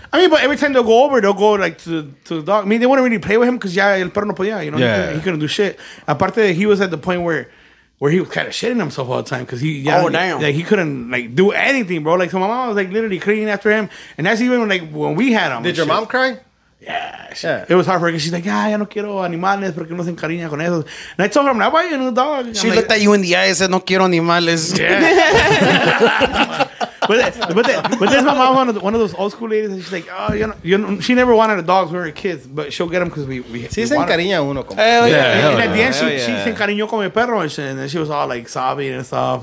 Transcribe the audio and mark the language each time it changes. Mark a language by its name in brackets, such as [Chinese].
[English] I mean, but every time they'll go over, they'll go like to the dog. I mean, they wouldn't really play with him because [Spanish] ya el perro no podía, [English] you know? Yeah. He couldn't do shit. Aparte, he was at the point where he was kind of shitting himself all the time because he couldn't like do anything, bro. Like, so my mom was like literally cleaning after him. And that's even like when we had him. Did your mom cry? Yeah, it was heartbreaking. She's like, [Spanish] ah, ya no quiero animales porque no se encariña con esos. [English] And I told her, I'm not buying a new dog. She looked at you in the eye and said, [Spanish] no quiero animales. [English] Yeah. But there's my mom, one of those old school ladies, and she's like, oh, she never wanted a dog when we were kids, but she'll get them because we [Spanish] si se encariña uno con [English] And at the end, she [Spanish] se encariñó con mi perro, [English] and then she was all like sobbing and stuff.